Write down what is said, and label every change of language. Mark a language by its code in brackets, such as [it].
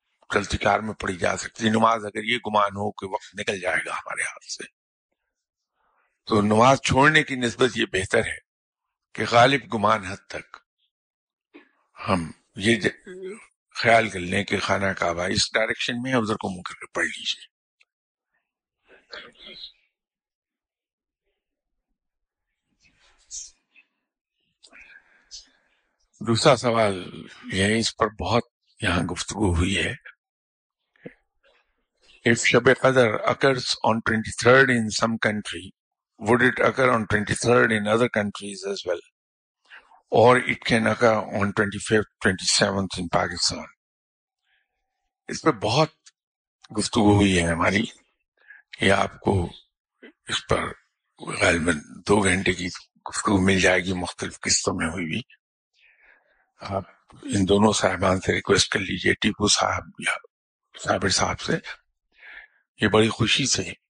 [ur] چلتی کار میں پڑھی جا سکتی نماز, اگر یہ گمان ہو کہ وقت نکل جائے گا ہمارے ہاتھ سے, تو نماز چھوڑنے کی نسبت یہ بہتر ہے کہ غالب گمان حد تک ہم یہ خیال کر لیں کہ خانہ کعبہ اس ڈائریکشن میں ہے, ادھر کو منہ کر کے پڑھ لیجیے. دوسرا سوال یہ ہے, اس پر بہت یہاں گفتگو ہوئی ہے. [en] If شب قدر occurs on 23rd in some country, would it occur on 23rd in other countries as well? Or it can occur on 25th, 27th in Pakistan. [ur] اس پہ بہت گفتگو ہوئی ہے ہماری. یہ آپ کو اس پر غالباً دو گھنٹے کی گفتگو مل جائے گی مختلف قسطوں میں ہوئی بھی. آپ ان دونوں صاحبان سے ریکویسٹ کر لیجئے, ٹیپو صاحب یا صابر صاحب سے. یہ بڑی خوشی سے